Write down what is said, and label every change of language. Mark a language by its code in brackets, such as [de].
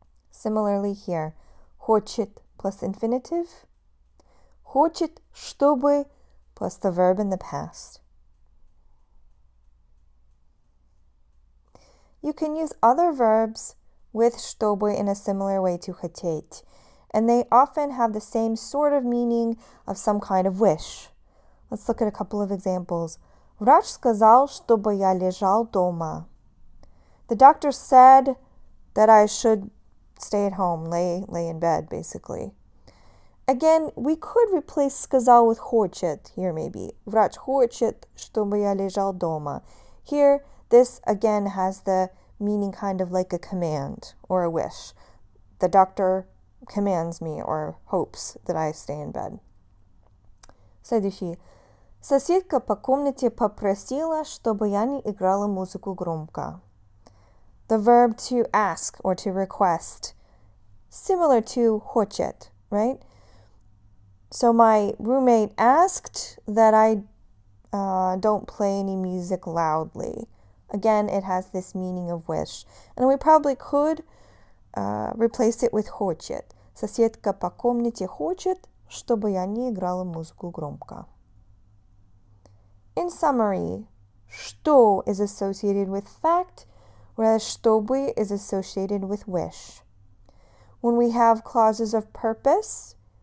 [en] Similarly here, хочет plus infinitive, хочет чтобы plus the verb in the past. You can use other verbs with чтобы in a similar way to хотеть, and they often have the same sort of meaning of some kind of wish. Let's look at a couple of examples. [ru] Врач сказал, чтобы я лежал дома. [en] The doctor said that I should stay at home, lay in bed, basically. Again, we could replace сказал with хочет here, maybe. [ru] Врач хочет, чтобы я лежал дома. [en] Here, this again has the meaning kind of like a command or a wish. The doctor commands me or hopes that I stay in bed. [ru] Следующий. Соседка по комнате попросила, чтобы я не играла музыку громко. [en] The verb to ask or to request, similar to хочет, right? So my roommate asked that I don't play any music loudly. Again, it has this meaning of wish. And we probably could replace it with хочет. [ru] Соседка по комнате хочет, чтобы я не играла музыку громко. [en] In summary, что is associated with fact, whereas чтобы is associated with wish. When we have clauses of purpose,